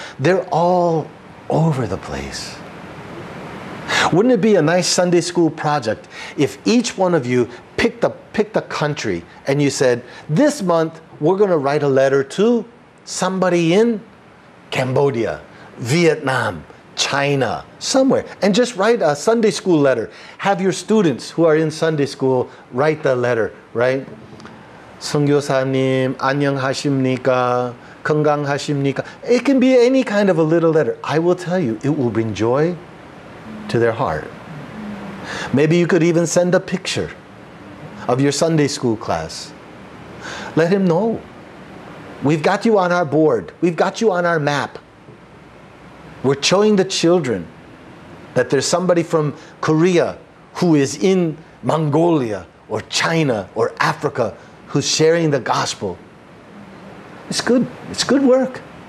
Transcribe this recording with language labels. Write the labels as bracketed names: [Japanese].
[English] They're all over the place. Wouldn't it be a nice Sunday school project if each one of you picked a country and you said, this month we're going to write a letter to somebody in Cambodia, Vietnam, China, somewhere, and just write a Sunday school letter. Have your students who are in Sunday school write the letter, right? [Korean] 선교사님, 안녕하십니까? 건강하십니까? [English] It can be any kind of a little letter. I will tell you, it will bring joy to their heart. Maybe you could even send a picture of your Sunday school class. Let him know. We've got you on our board. We've got you on our map. We're showing the children that there's somebody from Korea who is in Mongolia or China or Africa who's sharing the gospel. It's good. It's good work.